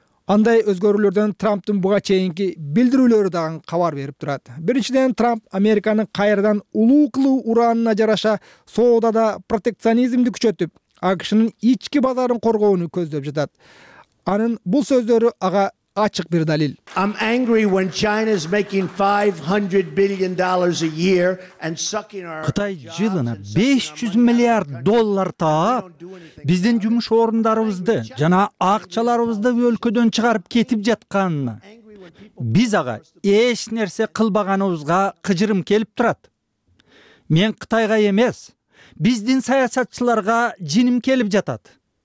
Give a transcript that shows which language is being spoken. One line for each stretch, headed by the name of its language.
Kyrgyz: Андай өзгөрүүлөрдөн Трамптын буга чейинки билдирүүлөрү дагы кабар берип турат. Биринчиден, Трамп Американы кайрадан улуу кылуу уранына жараша соодада протекционизмди күчөтүп, АКШнын ички базарын коргоону көздөп жатат. Анын бул сөздөрү ага ачык бир далил.
English: I'm angry when China's making $500 billion a year and sucking our
Kyrgyz: Кытай жылына 500 миллиард доллар таап, биздин жумуш орундарыбызды жана акчаларыбызды өлкөдөн чыгарып кетип жатканына. Биз ага эч нерсе кылбаганыбызга кыжырым келип турат. Мен Кытайга эмес, биздин саясатчыларга жиним келип жатат.